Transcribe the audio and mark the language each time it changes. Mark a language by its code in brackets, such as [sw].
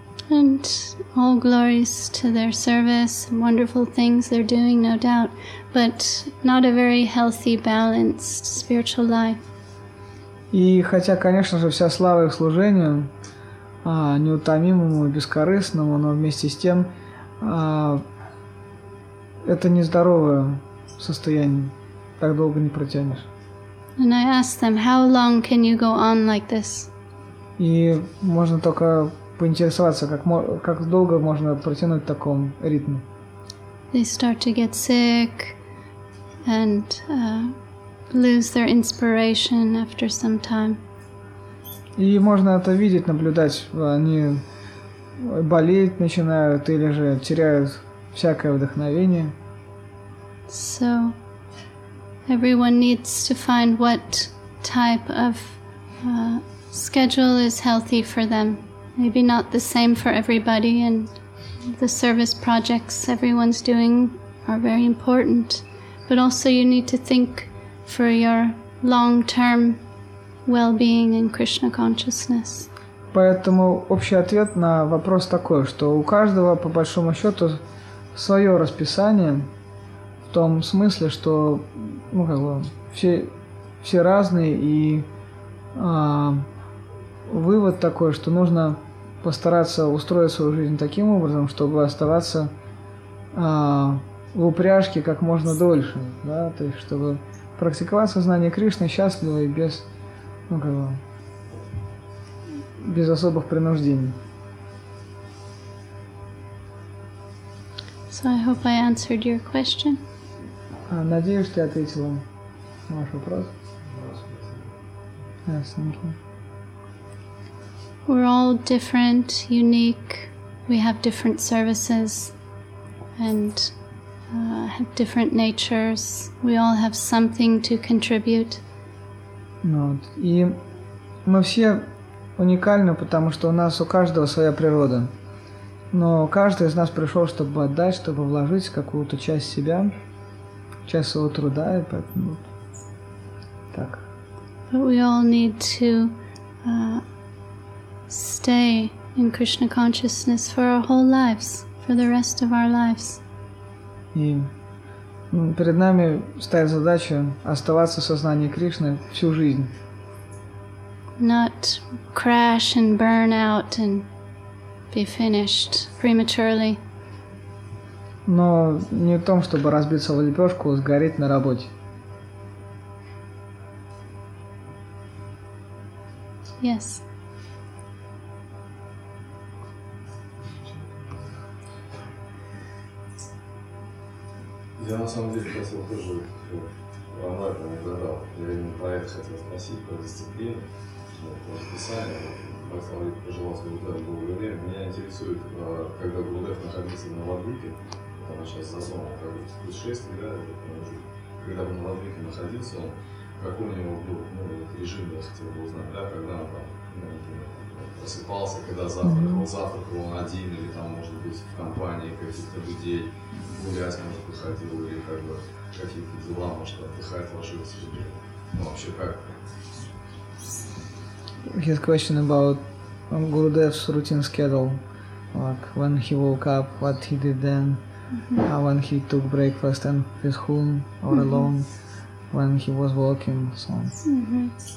[en] And all glories to their service, wonderful things they're doing, no doubt, but not a very healthy, balanced spiritual life. [ru] И хотя, конечно же, вся слава их служению неутомимому и бескорыстному, но вместе с тем это нездоровое состояние, так долго не протянешь. [en] And I asked them, how long can you go on like this? [ru] И можно только поинтересоваться, как долго можно протянуть в таком ритме. [en] They start to get sick and lose their inspiration after some time. [ru] И можно это видеть, наблюдать. Они болеть начинают или же теряют всякое вдохновение. [en] So, everyone needs to find what type of schedule is healthy for them. Maybe not the same for everybody, and the service projects everyone's doing are very important. But also you need to think for your long-term well-being and Krishna consciousness. [ru] Поэтому общий ответ на вопрос такой, что у каждого по большому счету свое расписание в том смысле, что ну, как бы, все разные и вывод такой, что нужно постараться устроить свою жизнь таким образом, чтобы оставаться в упряжке как можно дольше, да, то есть чтобы практиковать сознание Кришны счастливо и без, ну, как бы, без особых принуждений. [en] So I hope I answered your question. [ru] Надеюсь, что я ответил вам на ваш вопрос. [en] Yes, thank you. We're all different, unique. We have different services and have different natures. We all have something to contribute. [ru] Ну, вот. И мы все уникальны, потому что у нас у каждого своя природа. Но каждый из нас пришел, чтобы отдать, чтобы вложить какую-то часть себя, часть своего труда, и поэтому так. [en] But we all need to stay in Krishna consciousness for our whole lives, for the rest of our lives. [ru] И перед нами стоит задача оставаться в сознании Кришны всю жизнь. [en] Not crash and burn out and be finished prematurely. [ru] Но не в том, чтобы разбиться в лепешку, сгореть на работе. [en] Yes. [ru] Я на самом деле хотел тоже Амарка не задал. Я именно про это хотел спросить, про дисциплину, про расписание. Бхактивинод пожелал Гурудев Гурудев. Меня интересует, когда Гурудев находился на Ладвике, там сейчас за сомом, как бы путешествие, да, когда он на Ладвике находился, он, какой у него был, ну, режим, я хотел бы узнать, да, когда он там, просыпался, когда завтракал он один, или там, может быть, в компании каких-то людей, гулять, может, выходил, или как бы какие-то дела, может, отдыхать, ложился, или вообще как? [en] His question about Gurudev's routine schedule, like when he woke up, what he did then, when he took breakfast and with whom or alone, when he was walking, so on.